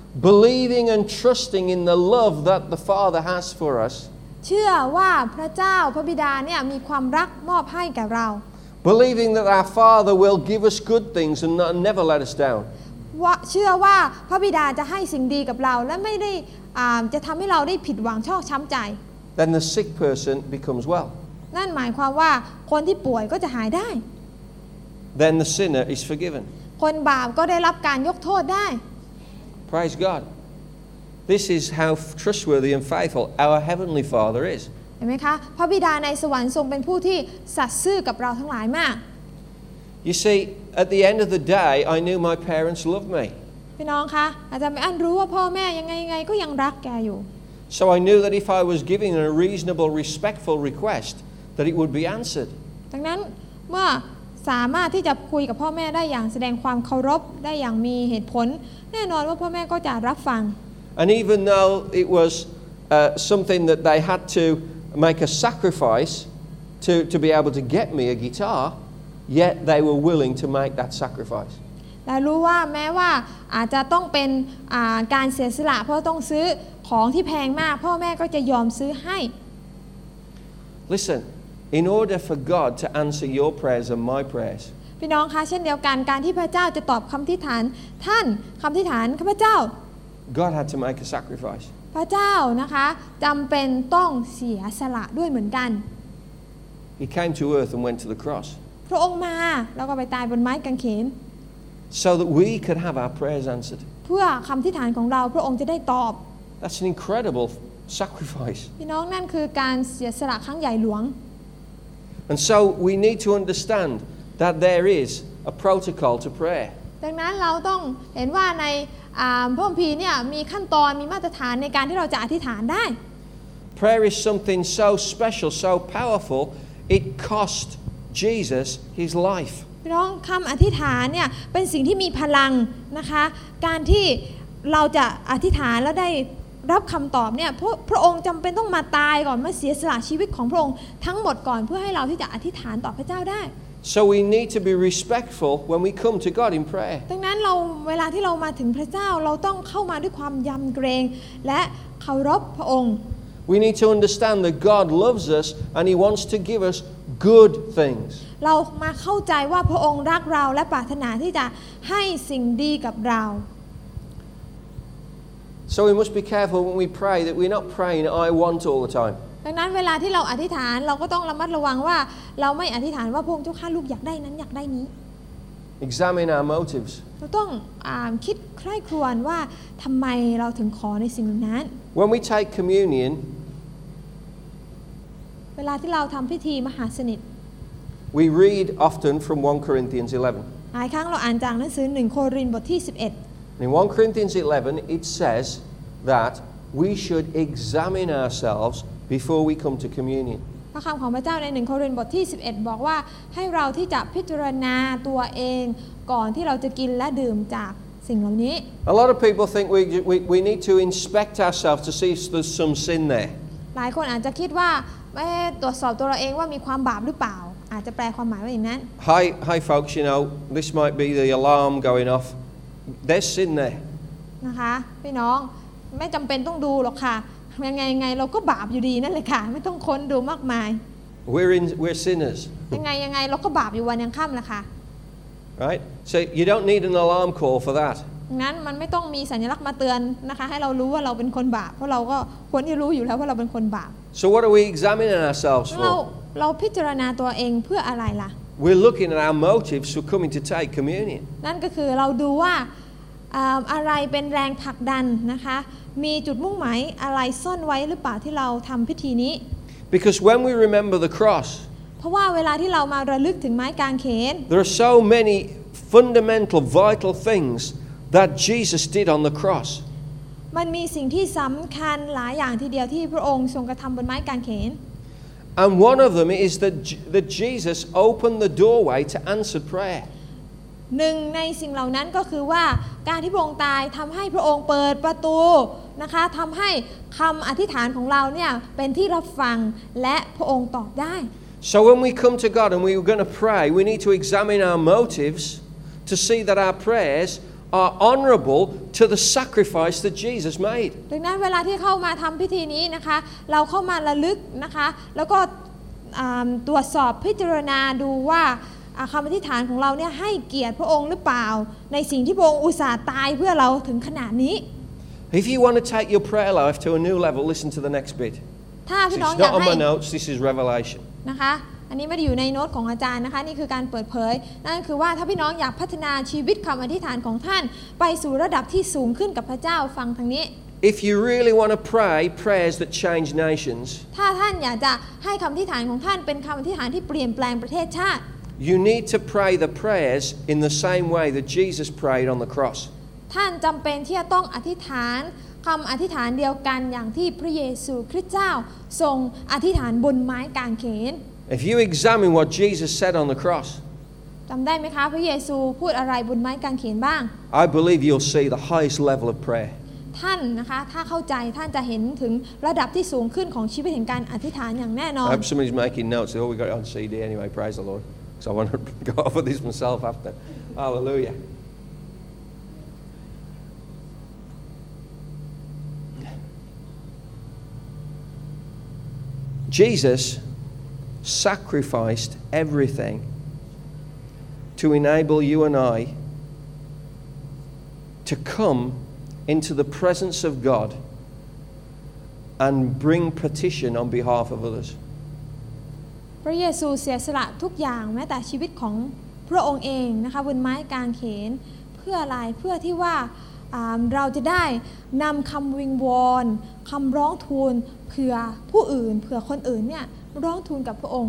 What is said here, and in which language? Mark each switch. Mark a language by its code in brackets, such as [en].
[en] Believing and trusting in the love that the Father has for us. [th] เชื่อว่าพระเจ้าพระบิดาเนี่ยมีความรักมอบให้กับเรา [en] Believing that our Father will give us good things and not never let us down. [th] ว่าเชื่อว่าพระบิดาจะให้สิ่งดีกับเราและไม่ได้จะทำให้เราได้ผิดหวังชอกช้ำใจ [en] Then the sick person becomes well. [th] นั่นหมายความว่าคนที่ป่วยก็จะหายได้ [en] Then the sinner is forgiven. [th] คนบาปก็ได้รับการยกโทษได้ [en] Praise God. This is how trustworthy and faithful our heavenly Father is. [th] เห็นไหมคะ พระบิดาในสวรรค์ทรงเป็นผู้ที่สัตย์ซื่อกับเราทั้งหลายมาก [en] You see, at the end of the day, I knew my parents loved me. [th] พี่น้องคะ อาจารย์ไม่อันรู้ว่าพ่อแม่ยังไงก็ยังรักแกอยู่ [en] So I knew that if I was giving a reasonable, respectful request, that it would be answered. [th] ดังนั้นเมื่อสามารถที่จะคุยกับพ่อแม่ได้อย่างแสดงความเคารพได้อย่างมีเหตุผลแน่นอนว่าพ่อแม่ก็จะรับฟัง [en] And even though it was something that they had to make a sacrifice to be able to get me a guitar yet they were willing to make that sacrifice [th] และรู้ว่าแม้ว่าอาจจะต้องเป็นการเสียสละเพราะต้องซื้อของที่แพงมากพ่อแม่ก็จะยอมซื้อให้ [en] ListenIn order for God to answer your prayers and my prayers. [th] พี่น้องคะเช่นเดียวกันการที่พระเจ้าจะตอบคำที่ฐานท่านคำที่ฐานข้าพเจ้า [en] God had to make a sacrifice. [th] พระเจ้านะคะจำเป็นต้องเสียสละด้วยเหมือนกัน [en] He came to earth and went to the cross. [th] พระองค์มาแล้วก็ไปตายบนไม้กางเขน [en] So that we could have our prayers answered. [th] เพื่อคำที่ฐานของเราพระองค์จะได้ตอบ [en] That's an incredible sacrifice. [th] พี่น้องนั่นคือการเสียสละครั้งใหญ่หลวง [en] And so we need to understand that there is a protocol to prayer. [th] ดังนั้นเราต้องเห็นว่าในพระคัมภีร์เนี่ยมีขั้นตอนมีมาตรฐานในการที่เราจะอธิษฐานได้ [en] Prayer is something so special, so powerful, it cost Jesus his life. [th] พระองค์คำอธิษฐานเนี่ยเป็นสิ่งที่มีพลังนะคะการที่เราจะอธิษฐานแล้วได้รับคำตอบเนี่ยพระองค์จำเป็นต้องมาตายก่อนมาเสียสละชีวิตของพระองค์ทั้งหมดก่อนเพื่อให้เราที่จะอธิษฐานต่อพระเจ้าได้ [en] So we need to be respectful when we come to God in prayer. [th] ดังนั้นเราเวลาที่เรามาถึงพระเจ้าเราต้องเข้ามาด้วยความยำเกรงและเคารพพระองค์ [en] We need to understand that God loves us and He wants to give us good things. [th] เรามาเข้าใจว่าพระองค์รักเราและปรารถนาที่จะให้สิ่งดีกับเรา [en] So we must be careful when we pray that we're not praying I want all the time. [th] ดังนั้นเวลาที่เราอธิษฐานเราก็ต้องระมัดระวังว่าเราไม่อธิษฐานว่าพระองค์เจ้าข้าลูกอยากได้นั้นอยากได้นี้ [en] Examine our motives [th] เราต้องคิดใคร่ครวญว่าทำไมเราถึงขอในสิ่งนั้น [en] When we take communion [th] เวลาที่เราทำพิธีมหาสนิท [en] We read often from 1 Corinthians 11 [th] หลายครั้งเราอ่านจากหนังสือ1โครินธ์บทที่11 [en] In 1 Corinthians 11 it says that we should examine ourselvesBefore we come to communion. [th] พระคำของพระเจ้าใน1โครินธ์บทที่11บอกว่าให้เราที่จะพิจารณาตัวเองก่อนที่เราจะกินและดื่มจากสิ่งเหล่านี้ [en] A lot of people think we need to inspect ourselves to see if there's some sin there. [th] หลายคนอาจจะคิดว่าตรวจสอบตัวเราเองว่ามีความบาปหรือเปล่าอาจจะแปลความหมายว่าอย่างนั้น [en] Hi folks, you know this might be the alarm going off. There's sin there. [th] นะคะพี่น้องไม่จำเป็นต้องดูหรอกค่ะยังไงเราก็บาปอยู่ดีนั่นแหละค่ะไม่ต้องค้นดูมากมาย [en] We're sinners [th] ยังไงเราก็บาปอยู่วันยังค่ำล่ะค่ะ [en] Right so you don't need an alarm call for that [th] งั้นมันไม่ต้องมีสัญลักษณ์มาเตือนนะคะให้เรารู้ว่าเราเป็นคนบาปเพราะเราก็ควรที่รู้อยู่แล้วว่าเราเป็นคนบาป [en] So what are we examining ourselves for [th] เราพิจารณาตัวเองเพื่ออะไรล่ะ [en] We're looking at our motives for coming to take communion [th] นั่นก็คือเราดูว่าอะไรเป็นแรงผลักดันนะคะมีจุดมุ่งหมายอะไรซ่อนไว้หรือเปล่าที่เราทำพิธีนี้ [en] Because when we remember the cross [th] เพราะว่าเวลาที่เรามาระลึกถึงไม้กางเขน [en] There are so many fundamental vital things that Jesus did on the cross [th] มันมีสิ่งที่สำคัญหลายอย่างทีเดียวที่พระองค์ทรงกระทำบนไม้กางเขน [en] And one of them is that Jesus opened the doorway to answered prayer [th] หนึ่งในสิ่งเหล่านั้นก็คือว่าการที่พระองค์ตายทำให้พระองค์เปิดประตูนะคะทำให้คำอธิษฐานของเราเนี่ยเป็นที่รับฟังและพระองค์ตอบได้ [en] So when we come to God and we're going to pray we need to examine our motives to see that our prayers are honorable to the sacrifice that Jesus made [th] ดังนั้นเวลาที่เข้ามาทำพิธีนี้นะคะเราเข้ามาระลึกนะคะแล้วก็ตรวจสอบพิจารณาดูว่าคำอธิษฐานของเราเนี่ยให้เกียรติพระองค์หรือเปล่าในสิ่งที่พระองค์อุตส่าห์ตายเพื่อเราถึงขนาดนี้ [en] If you want to take your prayer life to a new level listen to the next bit [th] ถ้าพี่น้องอยาก ให้ [en] It's not on my notes this is revelation [th] นะคะอันนี้ไม่ได้อยู่ในโน้ตของอาจารย์นะคะนี่คือการเปิดเผยนั่นคือว่าถ้าพี่น้องอยากพัฒนาชีวิตคำอธิษฐานของท่านไปสู่ระดับที่สูงขึ้นกับพระเจ้าฟังทางนี้ [en] If you really want to pray prayers that change nations [th] ถ้าท่านอยากจะให้คำอธิษฐานของท่านเป็นคำอธิษฐานที่เปลี่ยนแปลงประเทศชาติ [en] You need to pray the prayers in the same way that Jesus prayed on the cross. [th] ท่านจำเป็นที่จะต้องอธิษฐานคำอธิษฐานเดียวกันอย่างที่พระเยซูคริสต์เจ้าทรงอธิษฐานบนไม้กางเขน [en] If you examine what Jesus said on the cross, [th] จำได้ไหมคะพระเยซูพูดอะไรบนไม้กางเขนบ้าง [en] I believe you'll see the highest level of prayer. [th] ท่านนะคะถ้าเข้าใจท่านจะเห็นถึงระดับที่สูงขึ้นของชีวิตแห่งการอธิษฐานอย่างแน่นอน [en] I hope somebody's making notes. Oh, we got it on CD anyway. Praise the Lord. So I want to go off of this myself after. Hallelujah. Jesus sacrificed everything to enable you and I to come into the presence of God and bring petition on behalf of others. [th] พระเยซูเสียสละทุกอย่างแม้แต่ชีวิตของพระองค์เองนะคะบนไม้กางเขนเพื่ออะไรเพื่อที่ว่าเราจะได้นำคำวิงวอนคำร้องทูลเผื่อผู้อื่นเผื่อคนอื่นเนี่ยร้องทูลกับพระองค